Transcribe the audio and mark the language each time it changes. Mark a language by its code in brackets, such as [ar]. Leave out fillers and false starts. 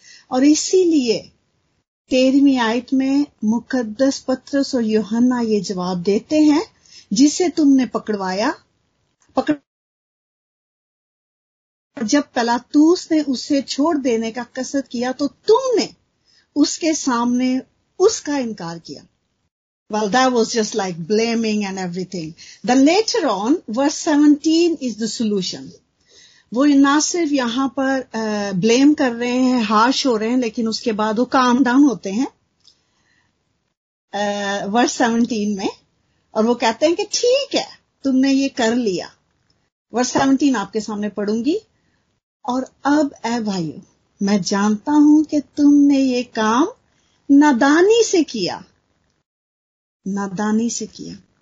[hi] और इसीलिए 13 आयत में मुकद्दस पत्रस और यूहन्ना ये जवाब देते हैं, जिसे तुमने पकड़वाया जब पिलातुस ने उसे छोड़ देने का कसद किया तो तुमने उसके सामने उसका इनकार किया. [en] Well, that was just like blaming and everything. The later on, verse 17 is the solution. [hi] वो ना सिर्फ यहाँ पर blame कर रहे हैं, harsh हो रहे हैं, लेकिन उसके बाद वो calm down होते हैं. Verse 17 में, और वो कहते हैं कि ठीक है, तुमने ये कर लिया. Verse 17 आपके सामने पढूंगी. और अब ऐ भाइयों, मैं जानता हूं कि तुमने ये काम नादानी से किया, नादानी से किया.